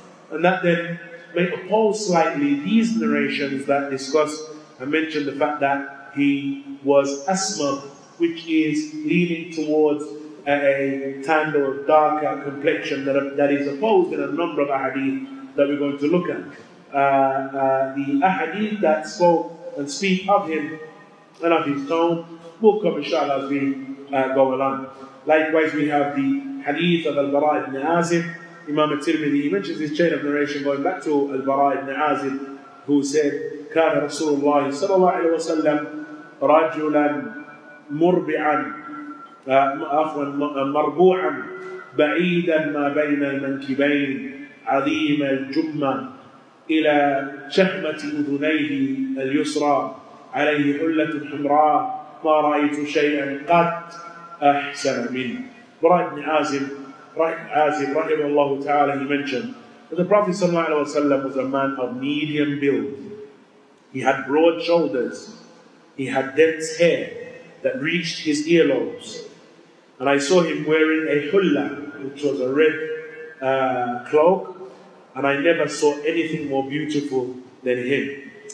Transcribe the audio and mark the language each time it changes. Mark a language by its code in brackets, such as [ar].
[en] And that then may oppose slightly these narrations that discuss and mention the fact that he was asma, which is leaning towards a tanned or darker complexion that is opposed in a number of ahadith that we're going to look at. The ahadith that spoke and speak of him and of his tone will come inshallah as we go along. Likewise, we have the hadith of Al-Bara ibn Azim. Imam al-Tirmidhi, he mentions this chain of narration going back to Al-Bara ibn Azim, who said, [ar] كَانَ رَسُولُ اللَّهِ صَلَى اللَّهِ عَلَيْهِ وَسَلَّمْ رَجُلًا مُرْبِعًا أَفْوًا مَرْبُوعًا بَعِيدًا مَا بَيْنَ الْمَنْكِبَيْنِ عظيم الجمة إلى شحمة أذنيه اليسرى عليه حلة حمراء ما رأيت شيئا قد أحسن منه. [en] Bara bin Azim [ar] رحمه الله تعالى, [en] he mentioned that the Prophet صلى الله عليه وسلم was a man of medium build. He had broad shoulders, he had dense hair that reached his earlobes, and I saw him wearing a hulla, which was a red cloak, and I never saw anything more beautiful than him.